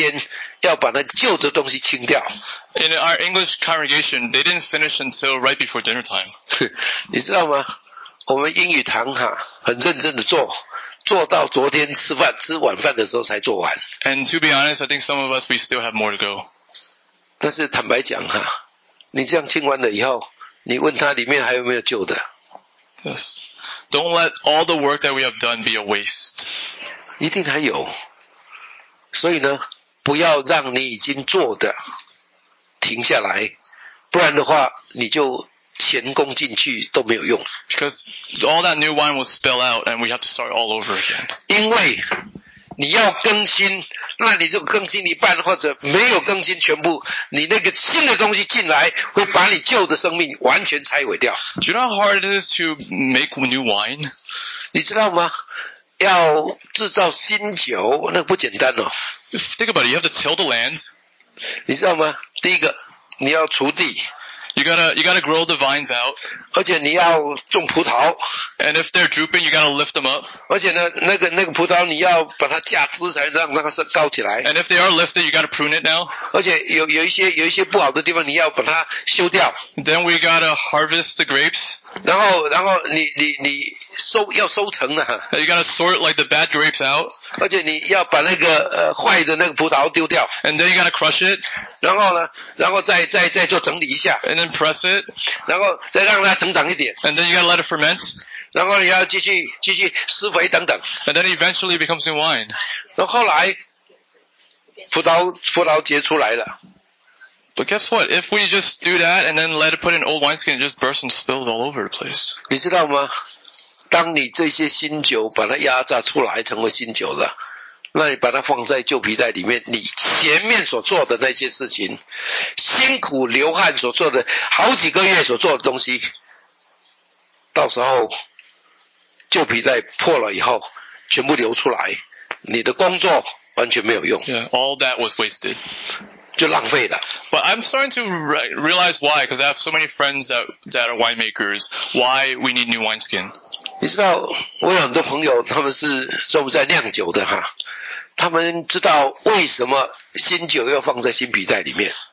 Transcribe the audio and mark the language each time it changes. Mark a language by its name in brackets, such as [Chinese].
[Chinese] 弟兄姊妹,我们这个礼拜,我们花了不很长的时间要把那旧的东西清掉。 [English] In our English congregation, they didn't finish until right before dinner time. [Chinese] 你知道吗?我们英语堂很认真地做,做到昨天吃饭,吃晚饭的时候才做完。 [English] And to be honest, I think some of us, we still have more to go. [Chinese] 但是坦白讲哈，你这样清完了以后，你问他里面还有没有旧的 [English] ？Yes. Don't let all the work that we have done be a waste. [Chinese] 一定还有。所以呢，不要让你已经做的停下来，不然的话，你就前功尽弃都没有用。 [English] Because all that new wine will spill out, and we have to start all over again. [Chinese] 因为你要更新，那你就更新一半，或者没有更新全部，你那个新的东西进来会把你旧的生命完全拆毁掉。 [English] Do you know how hard it is to make new wine? [Chinese] 你知道吗？要制造新酒，那不简单哦。 [English] Think about it, you have to till the land. [Chinese] 你知道吗？第一个，你要锄地。 [English] You gotta grow the vines out. [Chinese] 而且你要种葡萄。 [English] And if they're drooping, you gotta lift them up. [Chinese] 而且呢，那个葡萄你要把它架枝才让那个是高起来。 [English] And if they are lifted, you gotta prune it now. [Chinese] 而且有一些不好的地方你要把它修掉。 [English] Then we gotta harvest the grapes. [Chinese] 然后你收要收成啊。 [English] You gotta sort like the bad grapes out. [Chinese] 而且你要把那个坏的那个葡萄丢掉。 [English] And then you gotta crush it. [Chinese] 然后呢，然后再做整理一下。 [English] And then press it. [Chinese] 然后再让它成长一点。 [English] And then you gotta let it ferment. [Chinese] 然后你要继续施肥等等。 [English] And then eventually becomes new wine. [Chinese] 那后来葡萄结出来了。 [English] But guess what? If we just do that and then let it put in old wineskin, just burst and spills all over the place. [Chinese] 你知道吗？当你这些新酒把它压榨出来成为新酒了，那你把它放在旧皮袋里面，你前面所做的那些事情，辛苦流汗所做的好几个月所做的东西，到时候。旧皮袋破了以后全部流出来，你的工作完全没有用。 [English] Yeah, all that was wasted. [Chinese] 就浪费了。 [English] But I'm starting to realize why, because I have so many friends that are winemakers, why we need new wineskin. [Chinese] 你知道我有很多朋友他们是专门在酿酒的哈，他们知道为什么新酒要放在新皮袋里面。